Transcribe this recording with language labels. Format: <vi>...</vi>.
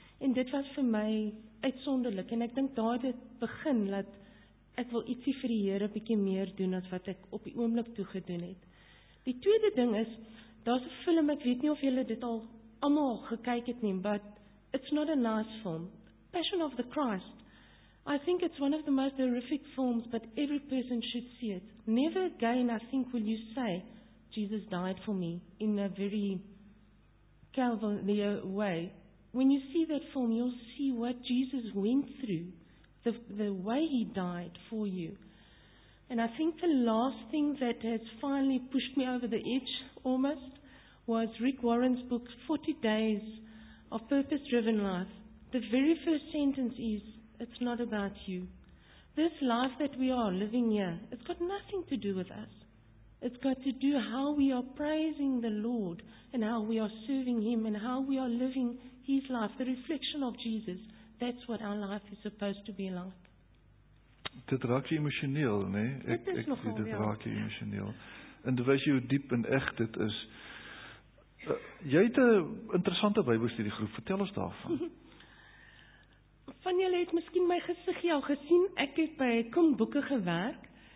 <af>En dit was vir my uitsonderlik, en ek dink daar het begin, dat ek wil ietsie vir die Here bietjie meer doen, as wat ek op die oomblik toe gedoen het. Die tweede ding is, daar's 'n film, ek weet nie of julle dit al allemaal gekyk het nie,</af> <en>but it's not a nice film. Passion of the Christ. I think it's one of the most horrific films, but every person should see it. Never again, I think, will you say, Jesus died for me, in a very Calvary way. When you see that film, you'll see what Jesus went through, the way he died for you. And I think the last thing that has finally pushed me over the edge almost was Rick Warren's book, 40 Days of Purpose-Driven Life. The very first sentence is, it's not about you. This life that we are living here, it's got nothing to do with us. It's got to do how we are praising the Lord and how we are serving Him and how we are living His life, the reflection of Jesus. That's what our life is supposed to be like.</en> <af>Dit raak jy emosioneel, nee? Dit raak jy emosioneel. En dit wys jy hoe diep en echt dit is. Jy het 'n interessante Bybelstudiegroep. Vertel ons daarvan. Van julle het miskien my gesigie al gesien. Ek het by Kom Boeke gewerk.</af>